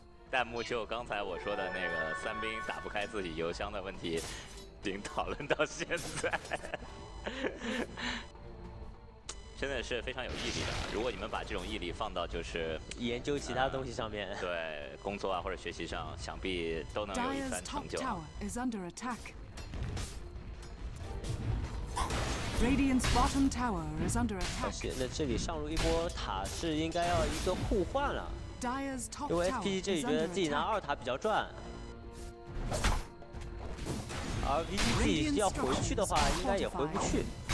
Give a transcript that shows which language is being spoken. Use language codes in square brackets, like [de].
[zh] 弹幕就刚才我说的那个三兵打不开自己邮箱的问题，已经讨论到现在，真的是非常有毅力的。如果你们把这种毅力放到就是研究其他东西上面，对工作啊或者学习上，想必都能有一番成就。 [en] Dire's top tower is under attack. Radiant's bottom tower is under attack. [zh] 那这里上路一波塔是应该要一个互换了。因为 SPG 这里觉得自己拿二塔比较赚，而 VG 自己要回去的话应该也回不去。